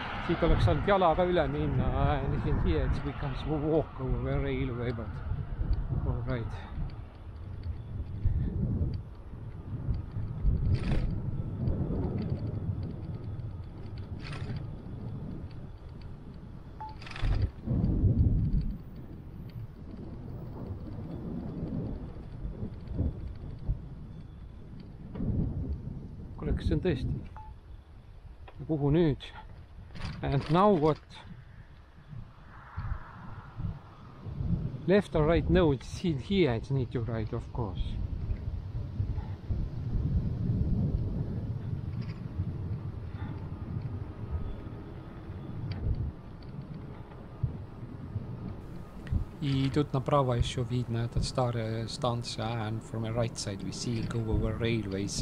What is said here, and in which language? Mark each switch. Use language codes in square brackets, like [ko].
[et] Siit oleks saanud jala ka üle minna. [en] And in here it becomes a walk over the railway, but all right. [et] Kuleks see on tõesti? Ja kuhu nüüd? [en] And now what? Left or right? No, it's here. It's need to right, of course. [ru] И тут направо еще видно этот старая станция. [en] And from the right side, we see go over railways.